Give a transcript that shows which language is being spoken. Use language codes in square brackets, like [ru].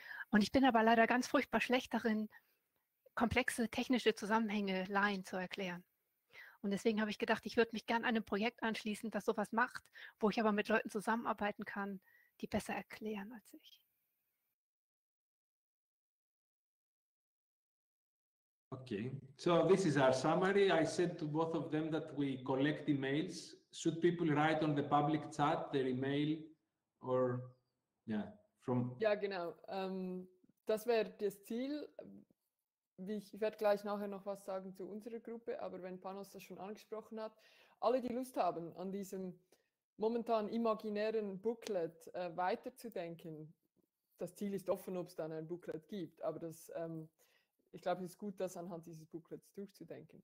[de] Und ich bin aber leider ganz furchtbar schlecht darin, komplexe technische Zusammenhänge Laien zu erklären. Und deswegen habe ich gedacht, ich würde mich gerne einem Projekt anschließen, das sowas macht, wo ich aber mit Leuten zusammenarbeiten kann, die besser erklären als ich. [en] Okay, so this is our summary. I said to both of them that we collect emails. should people write on the public chat their email or [de] Ja, genau. Das wäre das Ziel. Ich werde gleich nachher noch was sagen zu unserer Gruppe, aber wenn Panos das schon angesprochen hat, alle, die Lust haben, an diesem momentan imaginären Booklet weiterzudenken, das Ziel ist offen, ob es dann ein Booklet gibt, aber das, ich glaube, es ist gut, das anhand dieses Booklets durchzudenken.